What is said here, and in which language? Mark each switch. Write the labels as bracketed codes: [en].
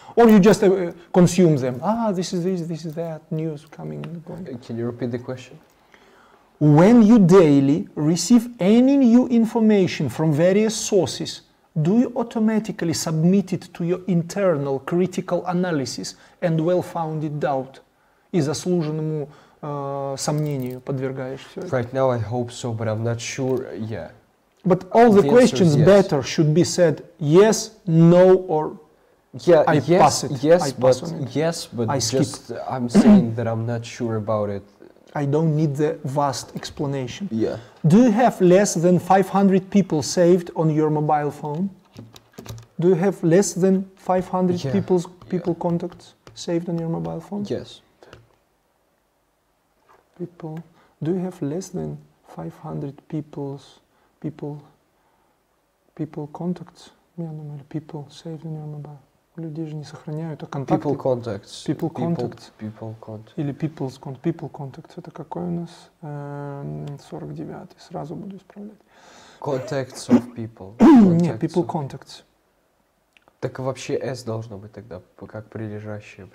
[en] Or you just consume them? Ah, this is that news coming and going. Can you repeat the question? When you daily receive any new information from various sources, do you automatically submit it to your internal critical analysis and well-founded doubt? [ru] И заслуженному сомнению подвергаешь все это? [en] Right now I hope so, but I'm not sure, yeah. But all the questions yes. Better should be said yes, no, or yeah, I yes, pass it. Yes, I pass but, on it. Yes, but I just skip. I'm saying that I'm not sure about it. I don't need the vast explanation. Yeah. Do you have less than 500 people saved on your mobile phone? Do you have less than 500 people contacts saved on your mobile phone? Yes. People, do you have less than 500 people contacts? People saved on your mobile. [ru] Люди же не сохраняют, а контакты. [en] People contacts. People contacts. People contacts. [ru] Или [en] people's contacts. People contacts. [ru] Это какой у нас? 49-й. Сразу буду исправлять. [en] Contacts of people. [ru] Нет, [en] people contacts. [ru] Так вообще S должно быть тогда, как прилежащее.